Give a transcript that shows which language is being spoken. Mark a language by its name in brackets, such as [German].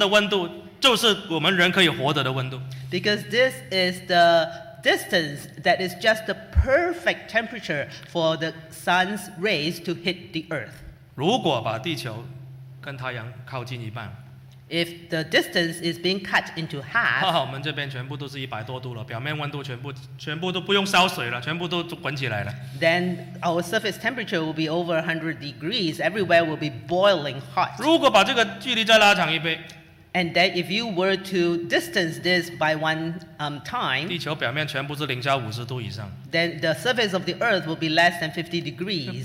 [Chinese] 太阳的热量，太阳的光度，经过这个距离来到地球，给我们的温度，就是我们人可以活着的温度。 [English] Because this is the distance that is just the perfect temperature for the sun's rays to hit the earth. [Chinese] 如果把地球跟太阳靠近一半。 [English] If the distance is being cut into half, [Chinese] 我们这边全部都是100多度了，表面温度全部都不用烧水了，全部都滚起来了。 [English] Then our surface temperature will be over 100 degrees. Everywhere will be boiling hot. [Chinese] 如果把这个距离再拉长一倍， [English] and then if you were to distance this by one time, [Chinese] 地球表面全部是零下50度以上。 [English] Then the surface of the earth will be less than 50 degrees.